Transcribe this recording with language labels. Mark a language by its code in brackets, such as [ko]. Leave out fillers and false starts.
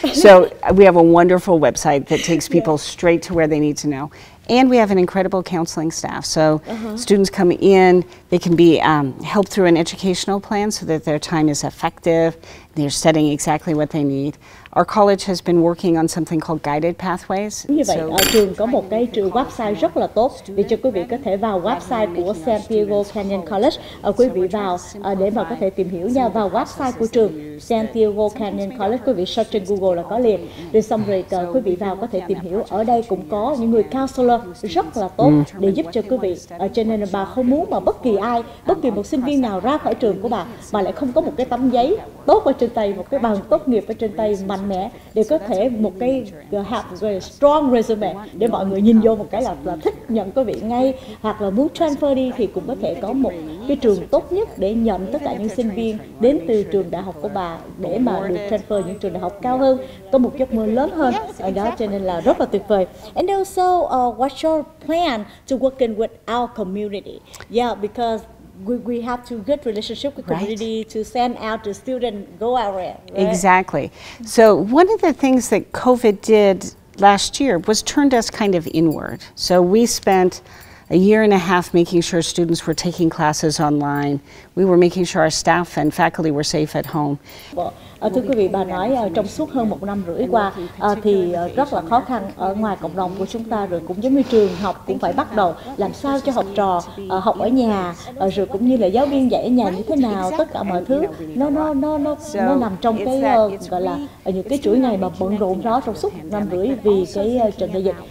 [en] So we have a wonderful website that takes people straight to where they need to know. And we have an incredible counseling staff. So students come in, they can be helped through an educational plan so that their time is effective, they're studying exactly what they need. Our college has been working on something called guided pathways. [vi] Như vậy, ở trường có một cái trường website rất là tốt để cho quý vị có thể vào website của Santiago Canyon College. Quý vị vào để mà có thể tìm hiểu nha. Vào website của trường Santiago Canyon College, quý vị search trên Google là có liền. Để xong rồi quý vị vào có thể tìm hiểu. Ở đây cũng có những người counselor rất là tốt để giúp cho quý vị. Cho nên là bà không muốn mà bất kỳ ai, bất kỳ một sinh viên nào ra khỏi trường của bà mà lại không có một cái tấm giấy tốt ở trên tay, một cái bằng tốt nghiệp ở trên tay mạnh mẽ để có thể một cái [en] have a strong resume [vi] để mọi người nhìn vô một cái là thích nhận quý vị ngay, hoặc là muốn transfer đi thì cũng có thể có một cái trường tốt nhất để nhận tất cả những sinh viên đến từ trường đại học của bà để mà được transfer những trường đại học cao hơn, có một giấc mơ lớn hơn ở đó, cho nên là rất là tuyệt vời. [en] And also what's your plan to working with our community? Yeah, because we have to good relationship with community to send out the student go out there. Right? Exactly. So one of the things that COVID did last year was turned us kind of inward. So we spent a year and a half making sure students were taking classes online. We were making sure our staff and faculty were safe at home. [vi] Thưa quý vị, bà nói trong suốt hơn một năm rưỡi qua thì rất là khó khăn ở ngoài cộng đồng của chúng ta, rồi cũng giống như trường học cũng phải bắt đầu làm sao cho học trò học ở nhà, rồi cũng như là giáo viên dạy ở nhà như thế nào, tất cả mọi thứ nó nằm trong cái gọi là những cái chuỗi ngày mà bận rộn đó trong suốt một năm rưỡi vì cái trận đại dịch.